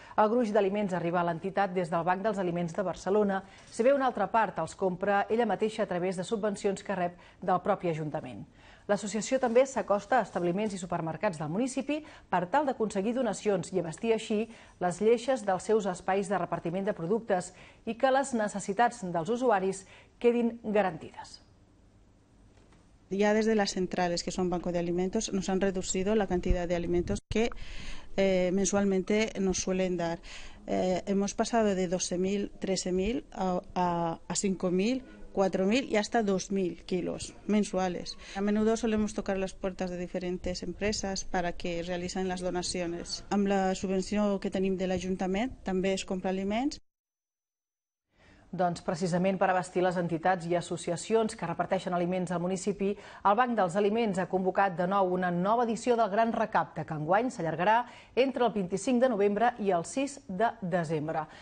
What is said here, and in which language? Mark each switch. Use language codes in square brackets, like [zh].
[ca] El gruix d'aliments arriba a l'entitat des del Banc dels Aliments de Barcelona, si bé una altra part els compra ella mateixa a través de subvencions que rep del propi Ajuntament. L'associació també s'acosta a establiments i supermercats del municipi per tal d'aconseguir donacions i abastir així les lleixes dels seus espais de repartiment de productes i que les necessitats dels usuaris quedin garantides. [es] Ya desde las centrales, que son banco de alimentos, nos han reducido la cantidad de alimentos que mensualmente nos suelen dar. Hemos pasado de 12.000, 13.000 a 5.000, 4.000 y hasta 2.000 kilos mensuales. A menudo solemos tocar las puertas de diferentes empresas para que realicen las donaciones. [ca] Amb la subvenció que tenim de l'Ajuntament, també es compra aliments. Doncs precisament per abastir les entitats i associacions que reparteixen aliments al municipi, el Banc dels Aliments ha convocat de nou una nova edició del Gran Recapte, que enguany s'allargarà entre el 25 de novembre i el 6 de desembre.